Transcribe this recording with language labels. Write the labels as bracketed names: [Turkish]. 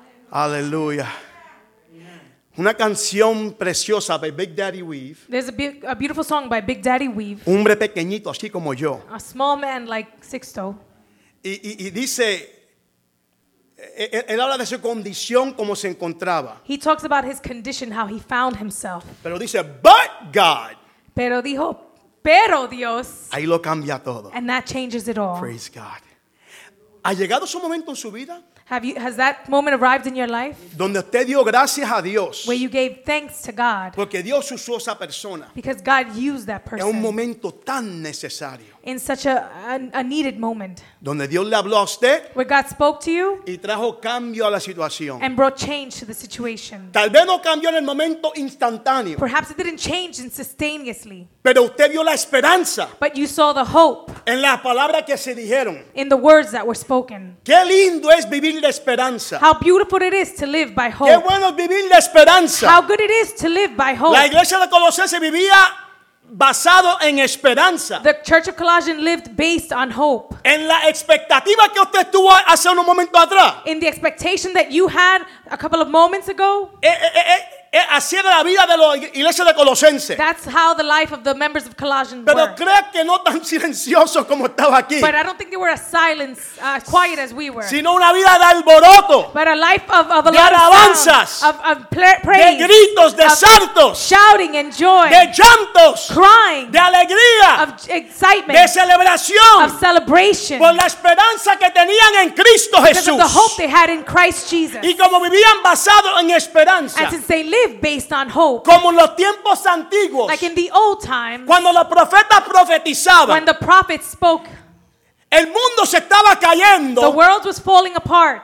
[Spanish] Aleluya. Una canción preciosa by Big Daddy Weave. [English] There's a beautiful song by Big Daddy Weave. [Spanish] Hombre pequeñito así como yo. [English] A small man like Sixto. [Spanish] Y dice. Él habla de su condición como se encontraba. [English] He talks about his condition, how he found himself. [Spanish] Pero dice, [English] but God. [Spanish] Pero dijo, pero Dios. Ahí lo cambia todo. [English] And that changes it all. Praise God. [Spanish] ¿Ha llegado su momento en su vida? [English] Has that moment arrived in your life? [Spanish] Donde usted dio gracias a Dios. [English] Where you gave thanks to God. [Spanish] Porque Dios usó esa persona. [English] Because God used that person. [Spanish] En un momento tan necesario. [English] In such a needed moment. [Spanish] Donde Dios le habló a usted. [English] Where God spoke to you. [Spanish] Y trajo cambio a la situación. [English] And brought change to the situation. [Spanish] Tal vez no cambió en el momento instantáneo. [English] Perhaps it didn't change instantaneously. [Spanish] Pero usted vio la esperanza. [English] But you saw the hope. [Spanish] En las palabras que se dijeron. [English] In the words that were spoken. [Spanish] Qué lindo es vivir de esperanza. [English] How beautiful it is to live by hope. [Spanish] Qué bueno es vivir de esperanza. [English] How good it is to live by hope. [Spanish] La iglesia de Colosense vivía basado en esperanza. [English] The Church of Colossians lived based on hope. [Spanish] En la expectativa que usted tuvo hace unos momentos atrás. [English] In the expectation that you had a couple of moments ago. [Spanish] Así era la vida de la iglesia de Colosense. [English] That's how the life of the members of Colossians [Spanish] pero [English] were. [Spanish] Creo que no tan silencioso como estaba aquí. [English] But I don't think they were as silent, quiet as we were. [Spanish] Sino una vida de alboroto. [English] But a life of a [Spanish] de alabanzas. [English] Of praise. [Spanish] De gritos, de saltos. [English] Shouting and joy. [Spanish] De llantos. [English] Crying. [Spanish] De alegría. [English] Of excitement. [Spanish] De celebración. [English] Of celebration. [Spanish] Por la esperanza que tenían en Cristo Jesús. [English] Because of the hope they had in Christ Jesus. [Spanish] Y como vivían basado en esperanza. [English] And since they live based on hope. [Spanish] Como en los tiempos antiguos. [English] Like in the old times. [Spanish] Cuando los profetas profetizaban. [English] When the prophets spoke. [Spanish] El mundo se estaba cayendo. [English] The world was falling apart.